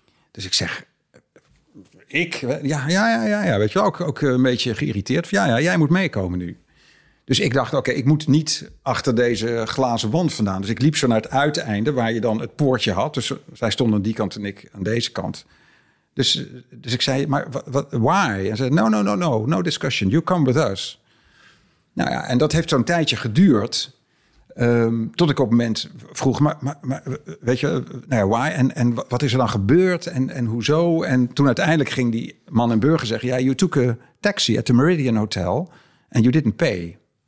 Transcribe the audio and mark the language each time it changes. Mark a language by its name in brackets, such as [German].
[Dutch] Dus ik zeg, ik? Ja. Weet je wel, ook een beetje geïrriteerd. Ja, jij moet meekomen nu. Dus ik dacht, oké, ik moet niet achter deze glazen wand vandaan. Dus ik liep zo naar het uiteinde waar je dan het poortje had. Dus zij stonden aan die kant en ik aan deze kant. Dus ik zei, maar why? En zei, [English] no discussion, you come with us. [Dutch] Nou ja, en dat heeft zo'n tijdje geduurd. Tot ik op een moment vroeg, maar weet je, nou ja, why? En wat is er dan gebeurd en hoezo? En toen uiteindelijk ging die man en burger zeggen, ja, [English] you took a taxi at the Meridian Hotel and you didn't pay.